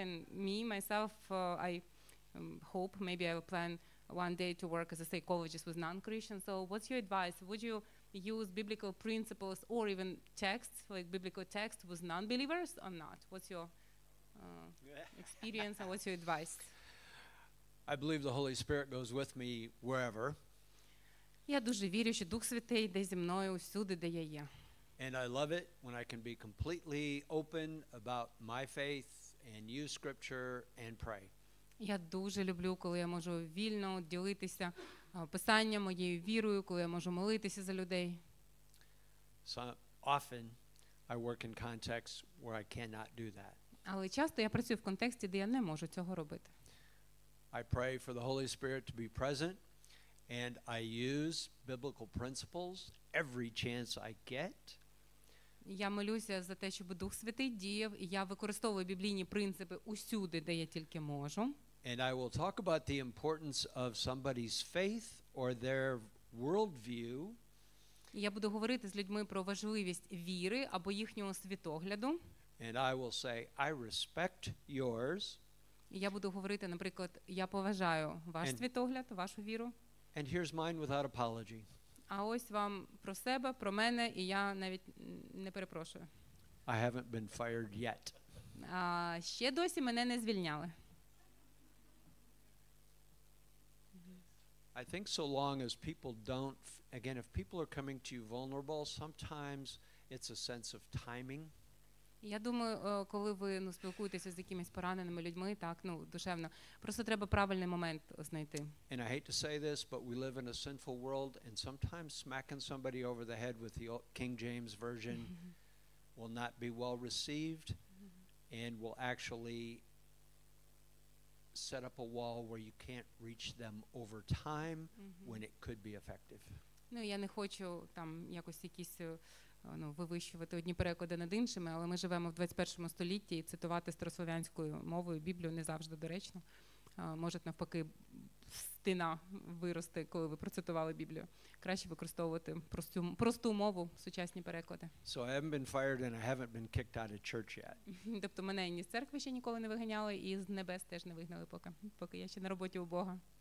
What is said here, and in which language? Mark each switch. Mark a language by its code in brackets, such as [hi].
[en] And me myself, I hope maybe I will plan one day to work as a psychologist with non-Christians. So what's your advice? Would you use biblical principles or even texts, like biblical texts, with non-believers or not? What's your experience and what's your advice? I believe the Holy Spirit goes with me wherever. [uk] Я дуже вірю, що Дух Святий йде зі мною усюди, де я є. [en] And I love it when I can be completely open about my faith and use scripture and pray. [uk] Я дуже люблю, коли я можу вільно ділитися писанням, моєю вірою, коли я можу молитися за людей. [en] So often I work in contexts where I cannot do that. [uk] Але часто я працюю в контексті, де я не можу цього робити. [en] I pray for the Holy Spirit to be present, and I use biblical principles every chance I get. [uk] Я молюся за те, щоб Дух Святий діяв, і я використовую біблійні принципи усюди, де я тільки можу. [en] And I will talk about the importance of somebody's faith or their worldview. [uk] Я буду говорити з людьми про важливість віри або їхнього світогляду. [en] And I will say, I respect yours. [uk] Я буду говорити, наприклад, я поважаю ваш світогляд, вашу віру. [en] And here's mine without apology. [uk] А ось вам про себе, про мене, і я навіть не перепрошую. [en] I haven't been fired yet. [uk] Ще досі мене не звільняли. [en] I think so long as people don't, again, if people are coming to you vulnerable, sometimes it's a sense of timing. [uk] Я думаю, коли ви, ну, спілкуєтеся з якимись пораненими людьми, так, ну, душевно, просто треба правильний момент знайти. [en] And I hate to say this, but we live in a sinful world, and sometimes smacking somebody over the head with the King James Version will not be well received, and will actually set up a wall where you can't reach them over time when it could be effective. [uk] Ну, я не хочу там якось якісь, ну, вивищувати одні переклади над іншими, але ми живемо в 21 столітті, і цитувати старослов'янською мовою Біблію не завжди доречно. Може, навпаки, стіна вирости, коли ви процитували Біблію. Краще використовувати просту мову, сучасні переклади. [en] So I haven't been fired and I haven't been kicked out of church yet. [uk] Тобто мене ні з церкви ще ніколи не виганяли, і з небес теж не вигнали поки я ще на роботі у Бога.